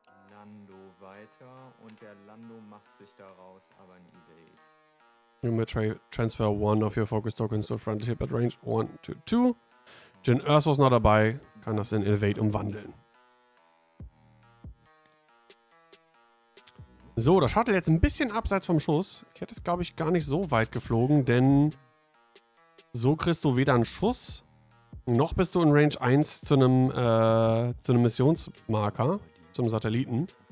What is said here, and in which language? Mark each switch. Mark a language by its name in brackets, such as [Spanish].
[German] Lando weiter und der Lando macht sich daraus aber eine Idee. [English] You may transfer one of your focus tokens to a friendly ship at range 1-2. [German] Jyn Erso ist noch dabei, kann das in Evade umwandeln. So, das Shuttle jetzt ein bisschen abseits vom Schuss. Ich hätte es, glaube ich, gar nicht so weit geflogen, denn so kriegst du weder einen Schuss... Noch bist du in Range 1 zu einem Missionsmarker, zum Satelliten.